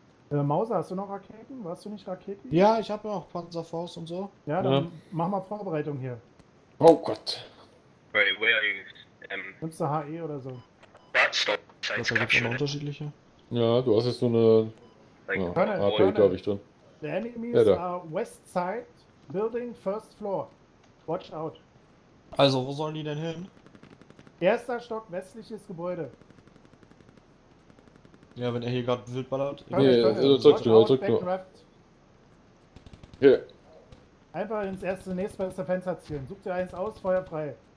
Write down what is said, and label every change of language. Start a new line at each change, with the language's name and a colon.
German: Mauser, hast du noch Raketen? Warst du nicht Raketen? Ja, ich habe noch Panzerfaust und so. Ja, dann mach mal Vorbereitung hier. Oh Gott.
English: Wait, where are you?
German: Nimmst du HE oder so? Stop. Das ist ja unterschiedlicher. Ja, du hast jetzt so eine Ja, AP, glaube ich, drin.
English: The enemies are west side, building first floor. Watch out.
German: Also, wo sollen die denn hin? Erster Stock, westliches Gebäude. Ja, wenn er hier gerade wild ballert. Nee, zurück. Hier. Einfach ins erste, nächste Fenster zielen. Sucht ihr eins aus, Feuer frei.